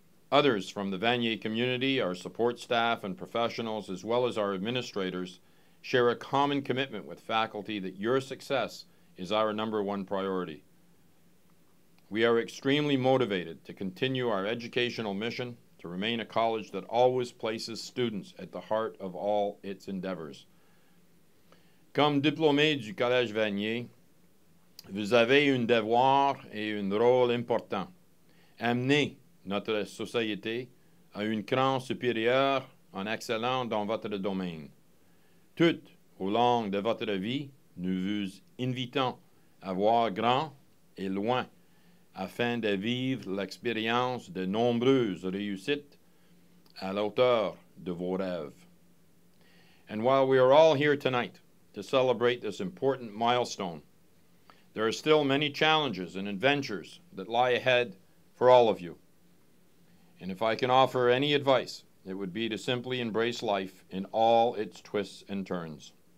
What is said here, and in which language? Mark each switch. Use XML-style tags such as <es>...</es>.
<en>Others from the Vanier community, our support staff and professionals, as well as our administrators, share a common commitment with faculty that your success is our number one priority. We are extremely motivated to continue our educational mission to remain a college that always places students at the heart of all its endeavors.</en> <fr>Comme diplômé du Collège Vanier, vous avez un devoir et un rôle important. Amenez notre société à un cran supérieur en excellant dans votre domaine. Tout au long de votre vie, nous vous invitons à voir grand et loin afin de vivre l'expérience de nombreuses réussites à l'auteur de vos rêves.</fr> <en>And while we are all here tonight to celebrate this important milestone, there are still many challenges and adventures that lie ahead for all of you. And if I can offer any advice, it would be to simply embrace life in all its twists and turns.</en>